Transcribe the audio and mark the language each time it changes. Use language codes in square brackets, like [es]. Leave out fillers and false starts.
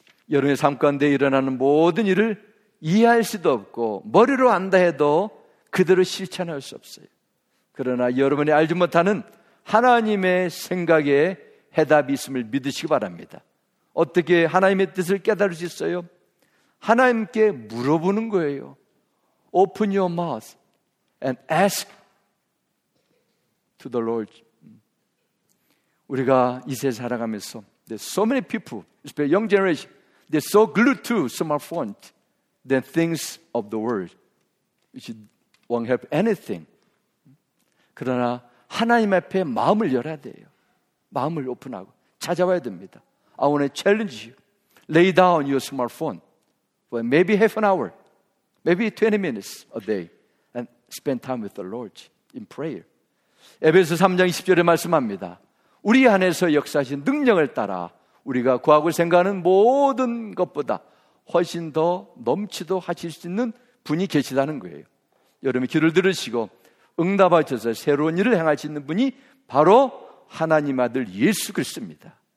[ko] 여러분의 삶 가운데 일어나는 모든 일을 이해할 수도 없고 머리로 안다 해도 그대로 실천할 수 없어요. 그러나 여러분이 알지 못하는 하나님의 생각에 해답이 있음을 믿으시기 바랍니다. 어떻게 하나님의 뜻을 깨달을 수 있어요? 하나님께 물어보는 거예요. [en] Open your mouth and ask to the Lord. [ko] 우리가 이 세상 살아가면서 [en] there's so many people, especially young generation, they're so glued to smartphones than things of the world, which won't help anything. [ko] 그러나 하나님 앞에 마음을 열어야 돼요. 마음을 오픈하고 찾아와야 됩니다. [en] I want to challenge you. Lay down your smartphone for maybe half an hour, maybe 20 minutes a day and spend time with the Lord in prayer. [ko] 에베소 3장 20절에 말씀합니다. 우리 안에서 역사하신 능력을 따라 우리가 구하고 생각하는 모든 것보다 훨씬 더 넘치도 하실 수 있는 분이 계시다는 거예요. 여러분이 귀를 들으시고 응답하셔서 새로운 일을 행할 수 있는 분이 바로 하나님 아들 예수 그리스도입니다.